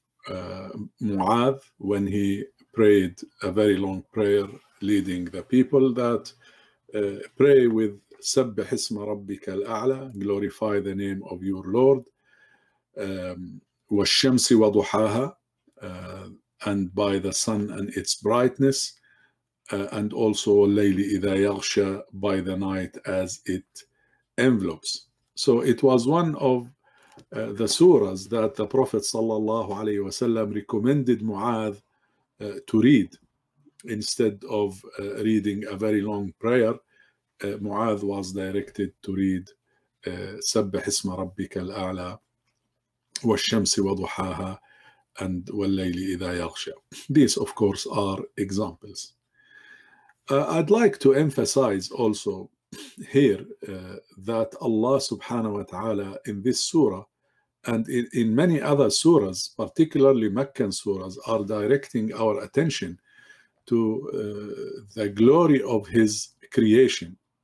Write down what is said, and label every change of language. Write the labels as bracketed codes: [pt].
[en] Mu'adh, when he prayed a very long prayer leading the people, that pray with Sabbih isma rabbika al-a'la, glorify the name of your Lord, wash-shamsi wa duhaha, and by the sun and its brightness, and also layli idha yaghsha, by the night as it envelopes. So it was one of the surahs that the Prophet sallallahu alayhi wasallam recommended Mu'adh to read instead of reading a very long prayer. Mu'adh was directed to read [ar] سبح اسم ربك الأعلى والشمس وضحاها and والليل إذا يغشى. [en] These of course are examples. I'd like to emphasize also here that Allah subhanahu wa ta'ala in this surah and in many other surahs, particularly Meccan surahs, are directing our attention to the glory of His creation.